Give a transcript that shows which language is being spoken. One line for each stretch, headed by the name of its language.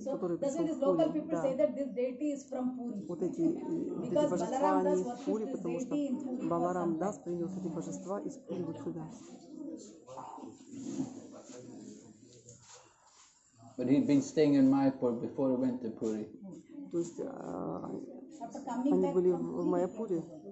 English: So that's why these local people say that this deity is from Puri.
Russian: Вот эти божества они из Пури, потому что Баларам Дас принес эти божества из Пури вот сюда.
English: But he'd been staying in Mayapur before he went to Puri.
Russian: То есть они были в Майяпуре.